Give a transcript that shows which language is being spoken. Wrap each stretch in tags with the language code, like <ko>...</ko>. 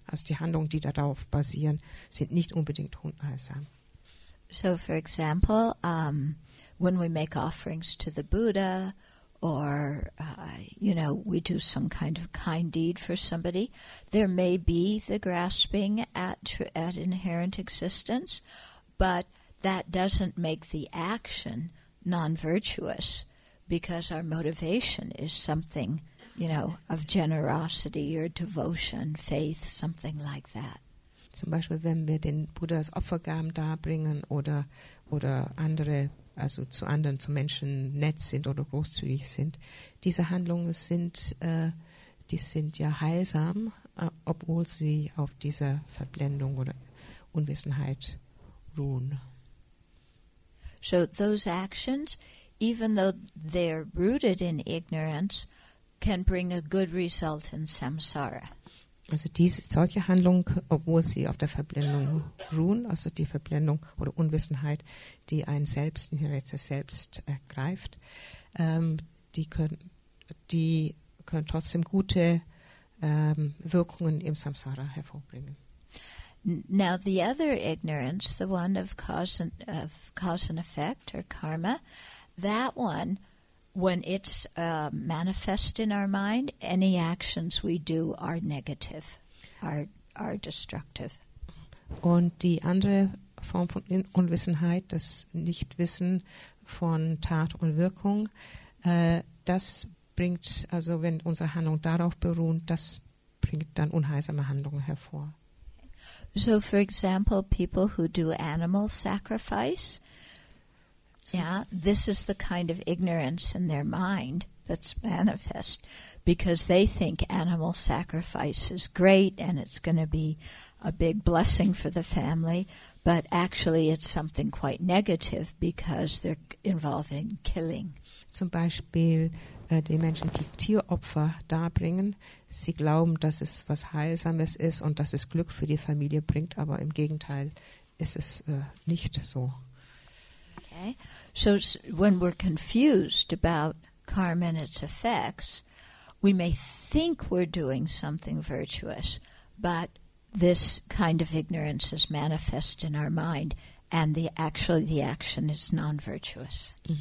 <de>Also die Handlungen, die darauf basieren, sind nicht unbedingt unheilsam.</de> <en>So for example, when we make offerings to the Buddha or you know, we do some kind of kind deed for somebody, there may be the grasping at inherent existence, but that doesn't make the action non-virtuous because our motivation is something, you know, of generosity or devotion, faith, something like that.</en> <de>Zum Beispiel, wenn wir den Buddha als Opfergaben darbringen oder andere, also zu anderen, zu Menschen nett sind oder großzügig sind, diese Handlungen sind ja heilsam, obwohl sie auf dieser Verblendung oder Unwissenheit ruhen.</de> <en>So those actions, even though they're rooted in ignorance, can bring a good result in samsara.</en> <de>Also solche Handlungen, obwohl sie auf der Verblendung ruhen, also die Verblendung oder Unwissenheit, die ein Selbst, in ihr jetzt selbst ergreift, die können trotzdem gute Wirkungen im Samsara hervorbringen.</de> <en>Now the other ignorance, the one of cause and effect or karma, that one, when it's manifest in our mind, any actions we do are negative, are destructive.</en> <de>Und die andere Form von Unwissenheit, das Nichtwissen von Tat und Wirkung, das bringt, also wenn unsere Handlung darauf beruht, das bringt dann unheilsame Handlungen hervor.</de> <en>So for example, people who do animal sacrifice, yeah, this is the kind of ignorance in their mind that's manifest because they think animal sacrifice is great and it's going to be a big blessing for the family, but actually it's something quite negative because they're involving killing.</en> <de>Zum Beispiel die Menschen, die Tieropfer darbringen, sie glauben, dass es was Heilsames ist und dass es Glück für die Familie bringt, aber im Gegenteil ist es nicht so.</de> <en>Okay, so when we're confused about karma and its effects, we may think we're doing something virtuous, but this kind of ignorance is manifest in our mind and the action is non-virtuous.</en>